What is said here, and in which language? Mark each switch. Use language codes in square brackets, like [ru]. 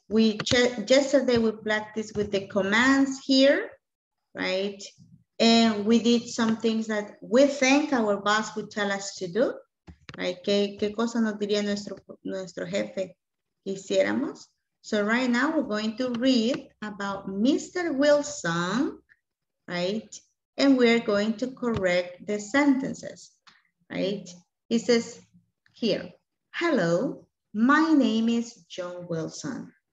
[en] We yesterday we practiced with the commands here, right? And we did some things that we think our boss would tell us to do, right? [es] ¿Qué cosa nos diría nuestro jefe que hiciéramos? [en] So right now we're going to read about Mr. Wilson, right? And we're going to correct the sentences, right? He says here, hello, my name is John Wilson.